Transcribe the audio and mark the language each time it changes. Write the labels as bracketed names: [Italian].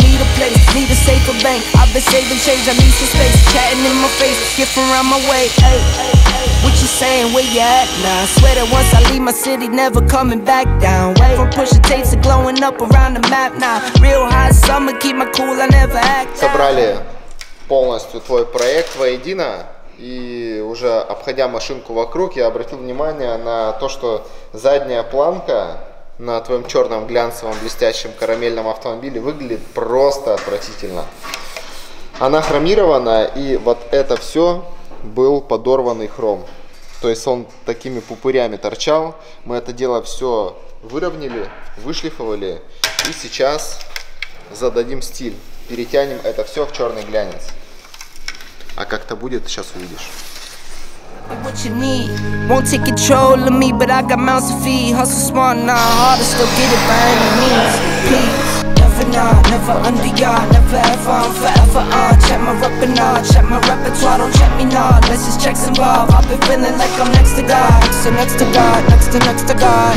[English] Need a place, need a safer bank. I've been saving change, I need some space. Chatting in my face, skip around my way. Hey, what you saying, where you at now? I swear that once I leave my city, never coming back down. Went from pushing tapes to glowing up around the map now. Real hot summer, keep my cool, I never act. [Russian] Собрали полностью твой проект воедино. И уже обходя машинку вокруг, я обратил внимание на то, что задняя планка на твоем черном глянцевом блестящем карамельном автомобиле выглядит просто отвратительно. Она хромирована, и вот это все был подорванный хром. То есть он такими пупырями торчал. Мы это дело все выровняли, вышлифовали, и сейчас зададим стиль. Перетянем это все в черный глянец. А как-то будет, сейчас увидишь. [English] What you need? Won't take control of me, but I got mouths to feed. Hustle smart now, harder still get it by any means. Peace. Never nah, never under y'all, never ever, I'm forever on. Check my repertoire, check my repertoire, don't check me now. Let's just check some ball. I've been feeling like I'm next to God. So next to God, next to God.